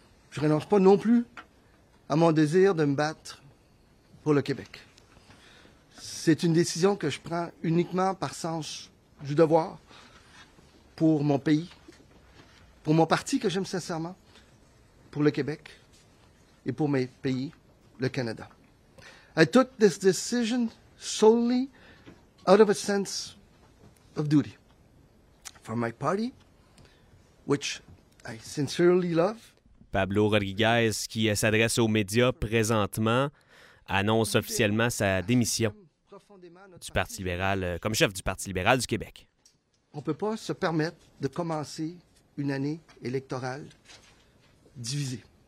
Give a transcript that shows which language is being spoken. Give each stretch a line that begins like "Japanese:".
French: Je renonce pas non plus à mon désir de me battre pour le Québec. C'est une décision que je prends uniquement par sens du devoir pour mon pays, pour mon parti que j'aime sincèrement, pour le Québec et pour mes pays, le Canada.
English: I took this decision solely out of a sense of duty. For my party, which I sincerely love.
French: Pablo Rodriguez, qui s'adresse aux médias présentement, annonce officiellement sa démission du Parti libéral, comme chef du Parti libéral du Québec. On ne peut pas se permettre de commencer une année électorale divisée.